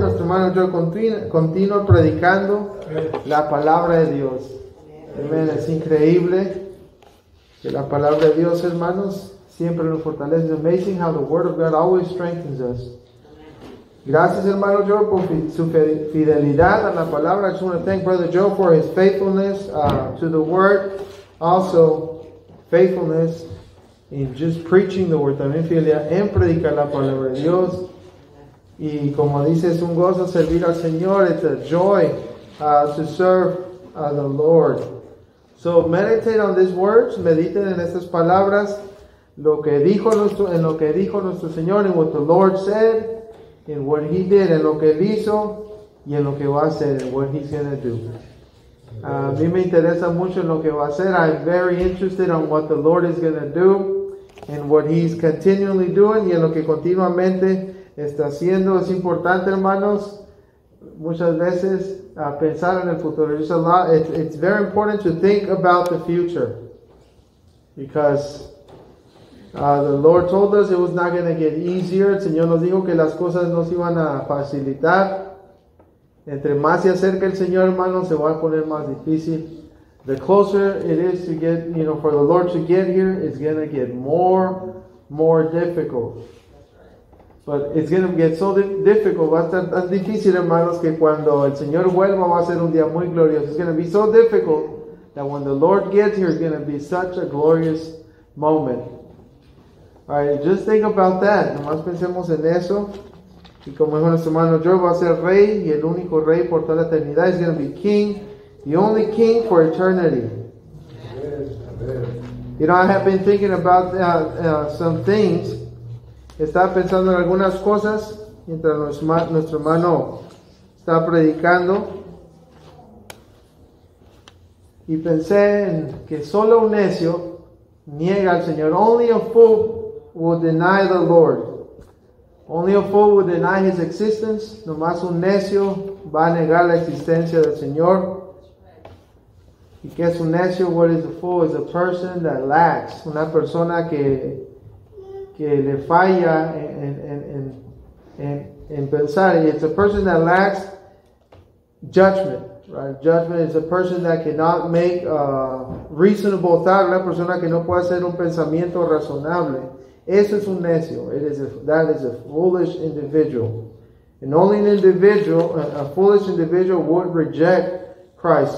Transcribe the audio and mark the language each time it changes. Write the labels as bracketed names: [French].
[Spanish] Nuestro hermano Joe continúa predicando la palabra de Dios. Amén. Es increíble que la palabra de Dios, hermanos, siempre nos fortalece. [English] It's amazing how the word of God always strengthens us. [Spanish] Gracias, hermano Joe, por su fidelidad a la palabra. [English] I just want to thank Brother Joe for his faithfulness to the word. Also, faithfulness in just preaching the word. [Spanish] También fidelidad en predicar la palabra de Dios. Y como dice, es un gozo servir al Señor. [English] It's a joy to serve the Lord. So, meditate on these words. [Spanish] Mediten en estas palabras. Lo que dijo nuestro Señor. [English] And what the Lord said. [Spanish] En [English] what he did, [Spanish] en lo que él hizo, y en lo que va a hacer, en [English] what he's going to do. [Spanish] A mí me interesa mucho en lo que va a hacer. [English] I'm very interested in what the Lord is going to do, and what he's continually doing, [Spanish] y en lo que continuamente está haciendo. Es importante, hermanos, muchas veces, pensar en el futuro. [English] It's, a lot, it's very important to think about the future, because the Lord told us it was not going to get easier. [Spanish] El Señor nos dijo que las cosas no se iban a facilitar. Entre más se acerca el Señor, hermano, se va a poner más difícil. [English] The closer it is to get, you know, for the Lord to get here, it's going to get more difficult. But it's going to get so difficult. [Spanish] Va a estar tan difícil, hermanos, que cuando el Señor vuelva va a ser un día muy glorioso. [English] It's going to be so difficult that when the Lord gets here, it's going to be such a glorious moment. All right, just think about that. [Spanish] Nomás pensemos en eso. Y como dijo nuestro hermano Joe, va a ser rey y el único rey por toda la eternidad. [English] He's going to be king, the only king for eternity. You know, I have been thinking about some things. [Spanish] Estaba pensando en algunas cosas mientras nuestro hermano estaba predicando. Y pensé en que solo un necio niega al Señor. [English] Only a fool will deny the Lord. Only a fool will deny his existence. [Spanish] Nomás un necio va a negar la existencia del Señor. Y que es un necio, [English] what is a fool? Is a person that lacks. [Spanish] Una persona que le falla en pensar. [English] It's a person that lacks judgment. Right? Judgment is a person that cannot make a reasonable thought. [Spanish] Una persona que no puede hacer un pensamiento razonable. Eso es un necio. [English] That is a foolish individual. And only an individual, a foolish individual would reject Christ.